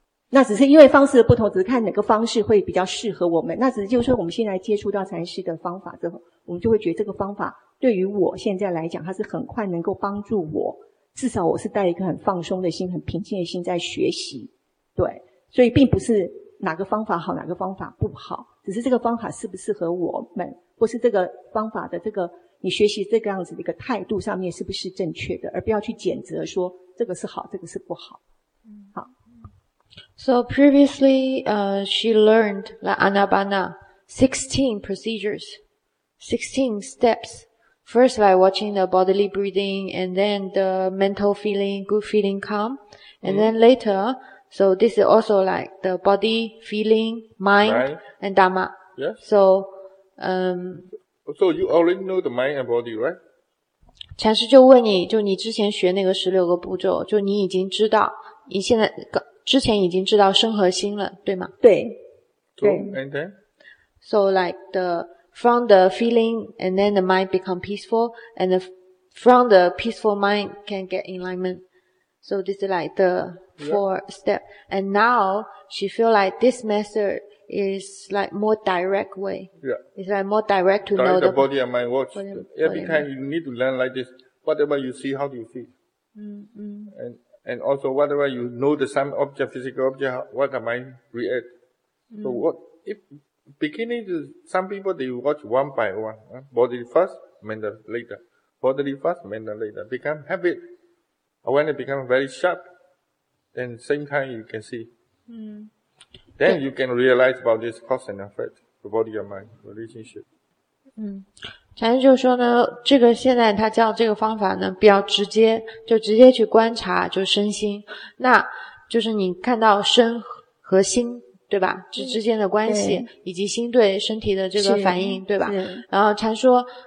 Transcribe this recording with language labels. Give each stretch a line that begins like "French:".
Chinese: 那只是因为方式的不同，只是看哪个方式会比较适合我们。那只是就是说我们现在接触到禅师的方法之后，我们就会觉得这个方法对于我现在来讲，它是很快能够帮助我，至少我是带一个很放松的心，很平静的心在学习。对，所以并不是哪个方法好哪个方法不好，只是这个方法适不适合我们，或是这个方法的这个你学习这个样子的一个态度上面是不是正确的，而不要去谴责说这个是好这个是不好。好。
English: So previously, she learned the Anapana 16 procedures, 16 steps. First, like watching the bodily breathing, and then the mental feeling, good feeling come. And then later, so this is also like the body, feeling, mind, right. and Dhamma. Yes. So, So you already know the mind and body, right?
Chinese: 禅师就问你，就你之前学那个十六个步骤，就你已经知道，你现在之前已经知道身和心了，对吗？对。
English: So, and then? So like the, from the feeling, and then the mind become peaceful, and the, from the peaceful mind can get enlightenment. So this is like the four step. And now, she feel like this method is like more direct way. Yeah. It's like more direct to know the body and mind works. Every time you need to learn like this, whatever you see, how do you see? And also, whatever you know, the same object, physical object, what the mind react. So what, if, beginning to, some people, they watch one by one, bodily first, mental later. Bodily first, mental later. Become habit. Or when it becomes very sharp, then same time you can see. Then you can realize about this cause and effect, the body and mind relationship.
Chinese: 禅师就说呢，这个现在他教这个方法呢比较直接，就直接去观察就身心，那就是你看到身和心对吧，这之间的关系以及心对身体的这个反应对吧，然后禅说